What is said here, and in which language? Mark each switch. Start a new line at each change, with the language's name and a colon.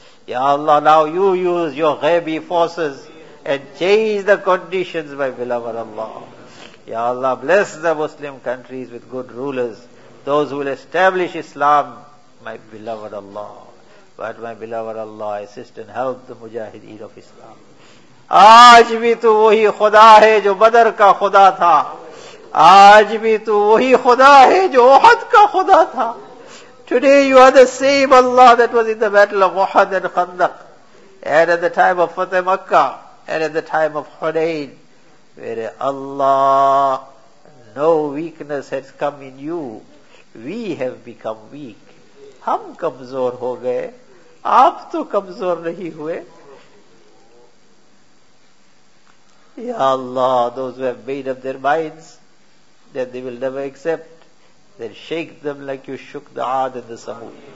English: Ya Allah, now you use your ghaibi forces and change the conditions, my beloved Allah. Ya Allah, bless the Muslim countries with good rulers, those who will establish Islam, my beloved Allah. But my beloved Allah, assist and help the Mujahideen of Islam.
Urdu: آج بھی تو وہی خدا ہے جو بدر کا خدا تھا, آج بھی تو وہی خدا ہے جو احد کا خدا تھا.
English: Today you are the same Allah that was in the battle of Uhud and Khandaq, and at the time of Fath Makkah, and at the time of Hunayn, where Allah, no weakness has come in you. We have become weak.
Urdu: ہم کمزور ہو گئے, آپ تو کمزور نہیں ہوئے.
English: Ya Allah, those who have made up their minds that they will never accept, then shake them like you shook the Aad and the Samud.